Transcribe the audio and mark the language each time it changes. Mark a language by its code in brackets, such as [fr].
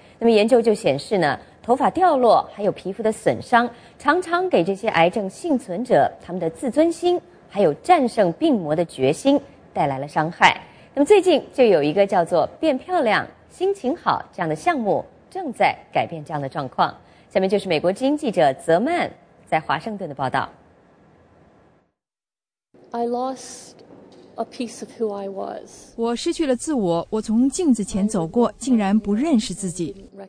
[zh] 那么研究就显示呢，头发掉落还有皮肤的损伤，常常给这些癌症幸存者他们的自尊心还有战胜病魔的决心带来了伤害。那么最近就有一个叫做变漂亮心情好这样的项目正在改变这样的状况。下面就是美国之音记者泽曼在华盛顿的报道。 [en] I lost a piece of who I was. [zh] 我失去了自我，我从镜子前走过，竟然不认识自己。